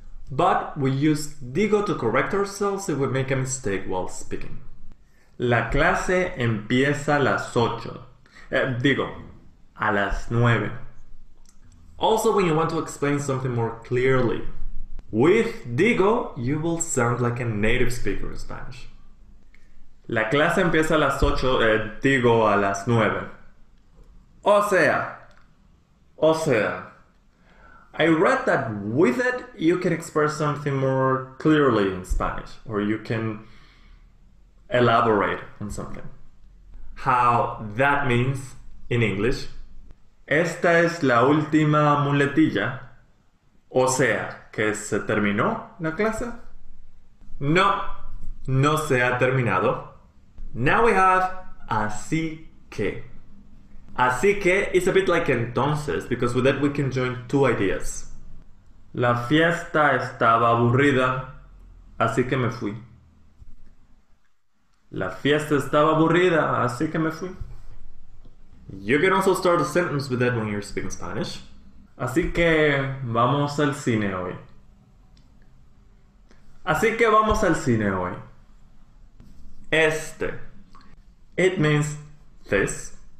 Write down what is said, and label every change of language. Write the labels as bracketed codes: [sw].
[en] But we use digo to correct ourselves if we make a mistake while speaking. [es] La clase empieza las ocho. Digo, a las nueve. [en] Also, when you want to explain something more clearly, with digo, you will sound like a native speaker in Spanish. [es] La clase empieza a las ocho, digo, a las nueve. [en] O sea, I read that with it, you can express something more clearly in Spanish, or you can elaborate on something. How that means in English. [es] Esta es la última muletilla. O sea, que se terminó la clase. No, no se ha terminado. [en] Now we have así que. Así que is a bit like entonces, because with that we can join two ideas. [es] La fiesta estaba aburrida, así que me fui. La fiesta estaba aburrida, así que me fui. [en] You can also start a sentence with that when you're speaking Spanish. [es] Así que vamos al cine hoy. Así que vamos al cine hoy. Este. [en] It means this.